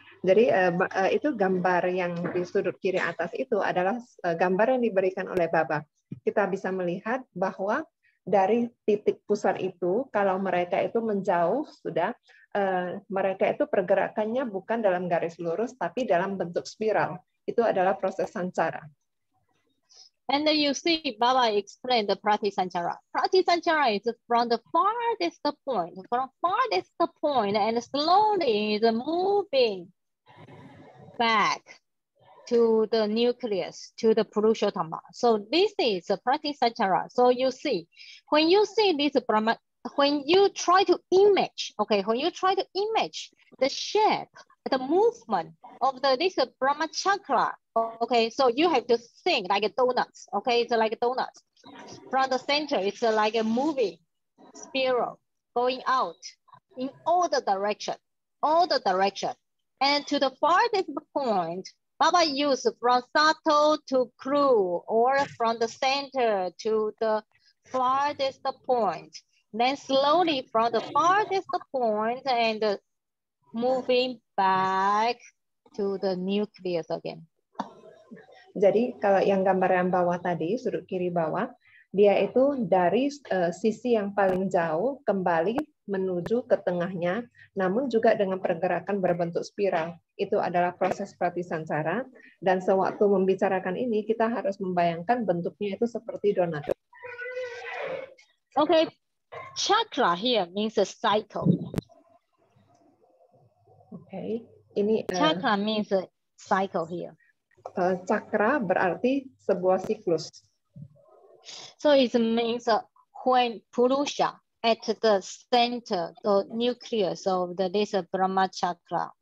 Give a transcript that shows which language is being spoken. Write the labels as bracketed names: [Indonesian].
[Indonesian] Jadi itu gambar yang di sudut kiri atas itu adalah gambar yang diberikan oleh Baba. Kita bisa melihat bahwa dari titik pusat itu, kalau mereka itu menjauh, sudah mereka itu pergerakannya bukan dalam garis lurus, tapi dalam bentuk spiral. Itu adalah proses sancara. [English] And then you see Baba explain the pratisanchara. Pratisanchara is from the farthest point, from farthest point, and slowly is moving back to the nucleus, to the Purushottama. So this is a pratisanchara. So you see, when you see this Brahma, when you try to image, okay, when you try to image the shape, the movement of the this Brahma chakra. Okay, so you have to think like a donuts. Okay, it's like a donut. From the center, it's like a moving spiral going out in all the direction, all the direction. And to the farthest point, Baba used from Sato to Kru, or from the center to the farthest point. Then slowly from the farthest point and moving back to the nucleus again. [Indonesian] Jadi kalau yang gambar yang bawah tadi, sudut kiri bawah, dia itu dari sisi yang paling jauh kembali menuju ke tengahnya, namun juga dengan pergerakan berbentuk spiral. Itu adalah proses pratisancara. Dan sewaktu membicarakan ini, kita harus membayangkan bentuknya itu seperti donat. [English] Okay, chakra here means a cycle. [Indonesian] Okay, ini [English] chakra means a cycle here. [Indonesian] Cakra berarti sebuah siklus. [English] So it means when Purusha at the center, the nucleus of the this Brahma chakra.